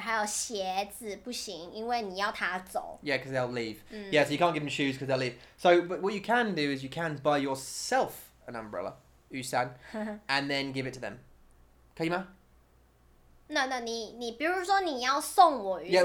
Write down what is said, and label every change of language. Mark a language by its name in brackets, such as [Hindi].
[Chinese] 还有鞋子不行，因为你要他走。 [English] Yeah, because they'll leave. Yeah, so you can't give them shoes because they'll leave. So, but what you can do is you can buy yourself an umbrella, 雨伞 and then give it to them. [Chinese] 可以吗？那你比如说你要送我雨伞